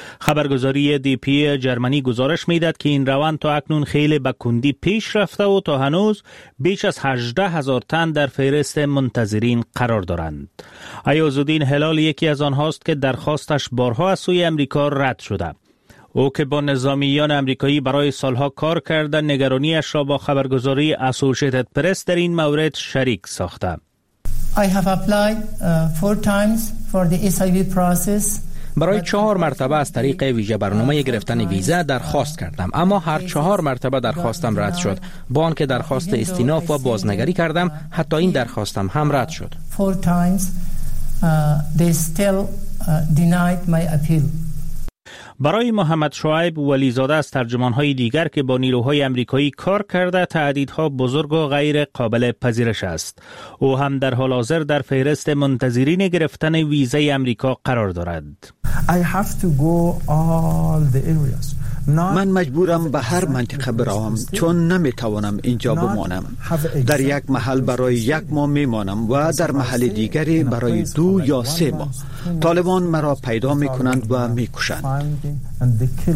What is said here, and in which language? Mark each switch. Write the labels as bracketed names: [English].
[Persian] خبرگزاری دی پی جرمنی گزارش می‌دهد که این روند تا اکنون خیلی به کندی پیش رفته و تا هنوز بیش از 18,000 تن در فهرست منتظرین قرار دارند. ایازالدین هلال یکی از آنهاست که درخواستش بارها از سوی آمریکا رد شده. او که با نظامیان آمریکایی برای سالها کار کرده نگرانیش را با خبرگزاری اسوسییتد پرس در این مورد شریک ساخته. [English] I have applied four times for the SIV process. [Persian] برای چهار مرتبه از طریق ویژه برنامه گرفتن ویزه درخواست کردم، اما هر چهار مرتبه درخواستم رد شد. با آنکه درخواست استیناف و بازنگری کردم، حتی این درخواستم هم رد شد. [English] Four times they still denied my appeal. [Persian] برای محمد شعیب ولیزاده از ترجمان‌های دیگر که با نیروهای آمریکایی کار کرده تهدیدها بزرگ و غیر قابل پذیرش است. او هم در حال حاضر در فهرست منتظرین گرفتن ویزه آمریکا قرار دارد. [English] I have to go all the areas. [Persian] من مجبورم به هر منطقه بروم چون نمیتوانم اینجا بمانم. در یک محل برای یک ماه میمانم و در محل دیگری برای دو یا سه ماه. طالبان مرا پیدا میکنند و میکشند.